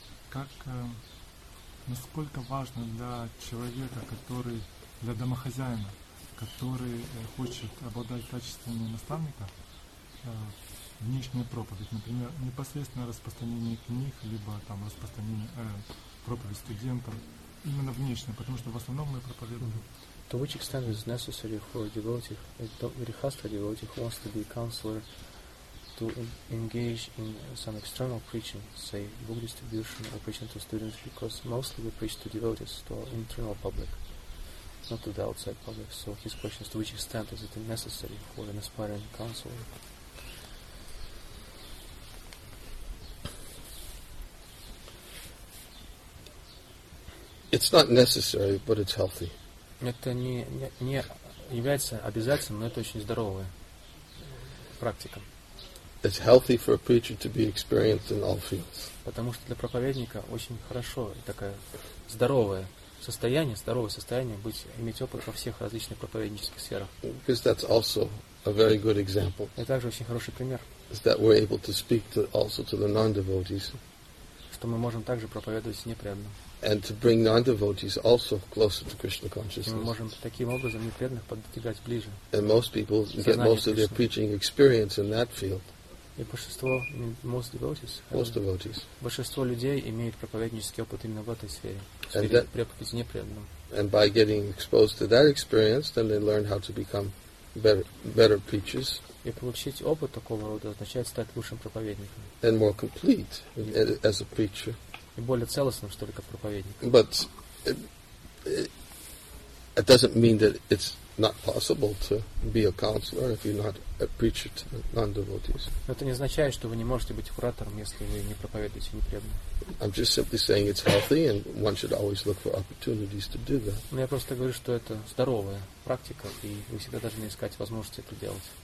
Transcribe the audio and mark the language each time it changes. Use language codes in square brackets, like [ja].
[ru] Как насколько важно для человека, который для домохозяина, который хочет обладать качествами наставника, внешняя проповедь, например, непосредственное распространение книг, либо там распространение проповедь студентам, именно внешняя, потому что в основном мы проповедуем. [en] To which extent is necessary for a devotee, a Grihastha devotee who wants to be a counselor, to engage in some external preaching, say book distribution or preaching to students, because mostly we preach to devotees, to our internal public, not to the outside public. So his question is, to which extent is it necessary for an aspiring counselor? It's not necessary, but it's healthy. [ru] Это не является обязательным, но это очень здоровая практика. [en] It's healthy for a preacher to be experienced in all fields. [ru] Потому что для проповедника очень хорошо такое здоровое состояние иметь опыт во всех различных проповеднических сферах. [en] Because that's also a very good example. [ru] Это также очень хороший пример. [en] that we're able to speak to also to the non-devotees. [ru] Что мы можем также проповедовать непреданным. [en] And to bring non-devotees also closer to Krishna consciousness. [ru] Мы можем таким образом непреданных подтягивать ближе. [en] And most people get most of their preaching experience in that field. [ru] И большинство [en] most devotees. Most devotees. [ru] Большинство людей имеют проповеднический опыт именно в этой сфере. Проповедь непреданным. [en] And by getting exposed to that experience, then they learn how to become better preachers. [ru] И получить опыт такого рода означает стать лучшим проповедником. [en] And more complete as a preacher. [ru] И более целостным, что ли, как проповедник. [en] But it doesn't mean that it's not possible to be a counselor if you're not a preacher to non-devotees. [ru] Но это не означает, что вы не можете быть куратором, если вы не проповедуете непреданным. [en] I'm just simply saying it's healthy and one should always look for opportunities to do that. [ru] Но я просто говорю, что это здоровая практика, и вы всегда должны искать возможности это делать.